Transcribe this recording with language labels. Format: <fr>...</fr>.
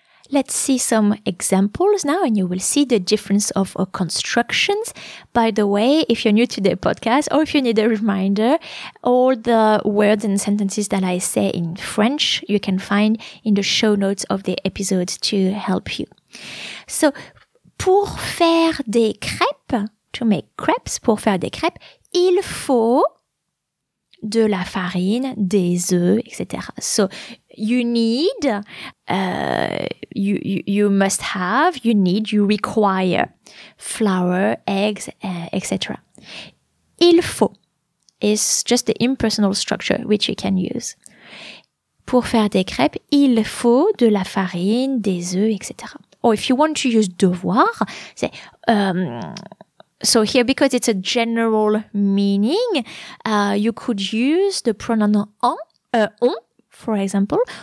<en>Let's see some examples now, and you will see the difference of constructions. By the way, if you're new to the podcast or if you need a reminder, all the words and sentences that I say in French, you can find in the show notes of the episode to help you. So,</en> <fr>pour faire des crêpes,</fr> <en>to make crepes,</en> <fr>pour faire des crêpes, il faut de la farine, des œufs, etc.</fr> <en>So, you need, you must have, you need, you require flour, eggs, etc. Il faut is just the impersonal structure which you can use.</en> <fr>Pour faire des crêpes, il faut de la farine, des œufs, etc.</fr> <en>Or if you want to use devoir, say, so here, because it's a general meaning, you could use the pronoun on, for example.</en>